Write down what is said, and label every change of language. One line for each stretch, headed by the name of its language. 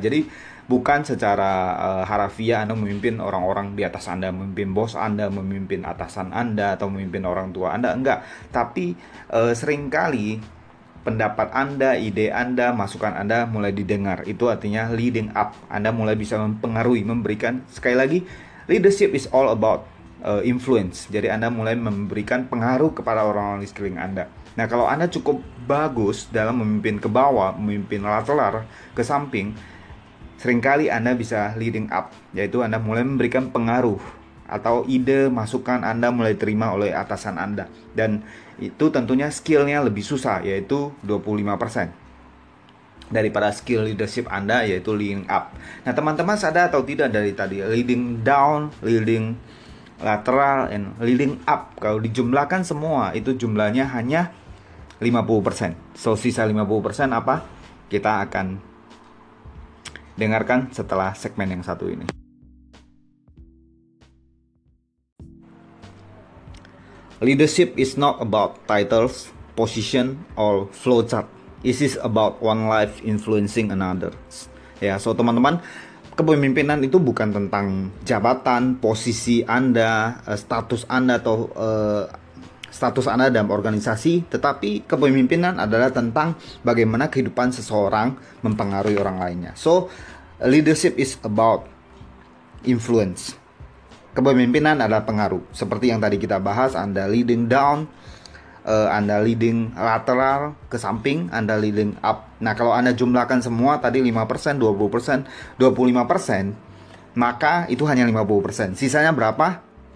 Indonesian: Jadi bukan secara harafiah Anda memimpin orang-orang di atas Anda, memimpin bos Anda, memimpin atasan Anda, atau memimpin orang tua Anda, enggak. Tapi seringkali pendapat Anda, ide Anda, masukan Anda mulai didengar. Itu artinya leading up. Anda mulai bisa mempengaruhi, memberikan. Sekali lagi,
English: leadership is all about influence.
Indonesian: Jadi Anda mulai memberikan pengaruh kepada orang-orang di sekeliling Anda. Nah, kalau Anda cukup bagus dalam memimpin ke bawah, memimpin lateral, ke samping, seringkali Anda bisa leading up. Yaitu Anda mulai memberikan pengaruh atau ide masukan Anda mulai diterima oleh atasan Anda. Dan itu tentunya skillnya lebih susah, yaitu 25% daripada skill leadership Anda, yaitu leading up. Nah teman-teman sadar atau tidak dari tadi, leading down, leading lateral, and leading up, kalau dijumlahkan semua itu jumlahnya hanya 50%. So sisa 50% apa? Kita akan dengarkan setelah segmen yang satu ini.
English: Leadership is not about titles, position, or flowchart. It is about one life influencing another.
Indonesian: Ya, so teman-teman, kepemimpinan itu bukan tentang jabatan, posisi Anda, status Anda, atau status Anda dalam organisasi, tetapi kepemimpinan adalah tentang bagaimana kehidupan seseorang mempengaruhi orang lainnya.
English: So, leadership is about influence.
Indonesian: Kepemimpinan adalah pengaruh. Seperti yang tadi kita bahas, Anda leading down, Anda leading lateral ke samping, Anda leading up. Nah, kalau Anda jumlahkan semua tadi 5%, 20%, 25%, maka itu hanya 50%. Sisanya berapa?